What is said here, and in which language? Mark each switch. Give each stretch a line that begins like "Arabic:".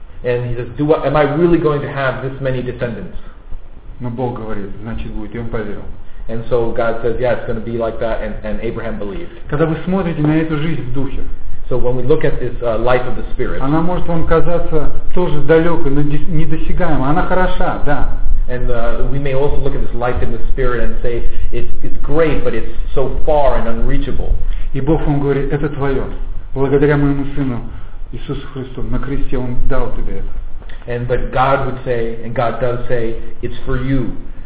English: And he says, am I really going to have this many descendants?
Russian: Но Бог говорит, значит будет, и он поверил.
English: And so God says, yeah, it's going to be like that, and Abraham believed.
Russian: Когда вы смотрите на эту жизнь в духе,
English: so when we look at this life of the Spirit,
Russian: она может вам казаться тоже далекой, но недосягаемой. Она хороша, да.
English: And we may also look at this life in the Spirit and say it's great, but it's so far and unreachable.
Russian: И Бог вам говорит: это твое. Благодаря моему Сыну Иисусу Христу на кресте Он дал тебе это.
English: But God would say, and God does say, it's for you.